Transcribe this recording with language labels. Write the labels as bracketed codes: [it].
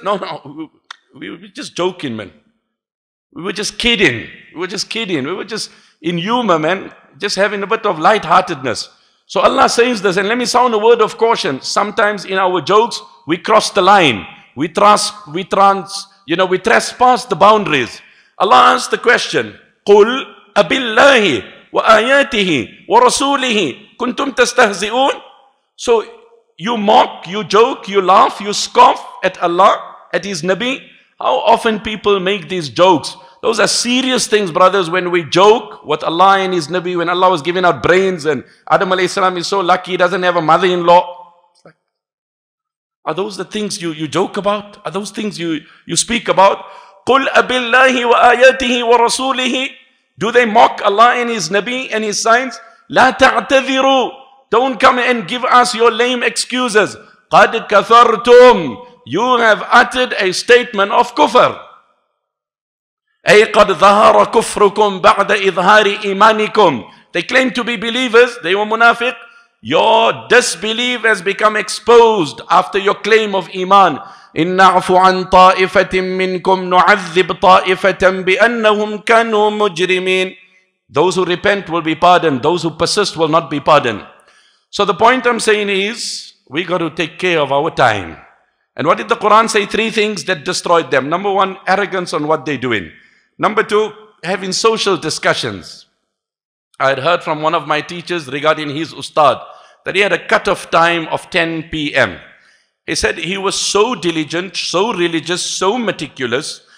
[en] No, we're just joking, man. We were just kidding. We were just in humor, man. Just having a bit of lightheartedness. So Allah says this, and let me sound a word of caution. Sometimes in our jokes, we cross the line. We trespass the boundaries. Allah asks the question, [ar] قُلْ أَبِ اللَّهِ وَآيَاتِهِ وَرَسُولِهِ كُنْتُمْ تَسْتَهْزِئُونَ. [en] So you mock, you joke, you laugh, you scoff at Allah, at His Nabi. How often people make these jokes? Those are serious things, brothers, when we joke with Allah and His Nabi, when Allah was giving out brains and Adam alayhi salam is so lucky he doesn't have a mother-in-law. Are those the things you joke about? Are those things you speak about? [ar] قُلْ أَبِ اللَّهِ وَآيَاتِهِ وَرَسُولِهِ. [en] Do they mock Allah and His Nabi and His signs? [ar] لَا تَعْتَذِرُوا. [en] Don't come and give us your lame excuses. [ar] قَدْ كَفَرْتُمْ. [en] You have uttered a statement of kufr. [ar] أي قد ظهر كفركم بعد إظهار إيمانكم. [en] They claim to be believers, they were munafiq. Your disbelief has become exposed after your claim of iman. [ar] إن نعفو عن طائفة منكم نعذب طائفة بأنهم كانوا مجرمين. [en] Those who repent will be pardoned, those who persist will not be pardoned. So the point I'm saying is, we got to take care of our time. And what did the Quran say? Three things that destroyed them. Number one, arrogance on what they're doing. Number two, having social discussions. I had heard from one of my teachers regarding his ustad that he had a cut-off time of 10 p.m. He said he was so diligent, so religious, so meticulous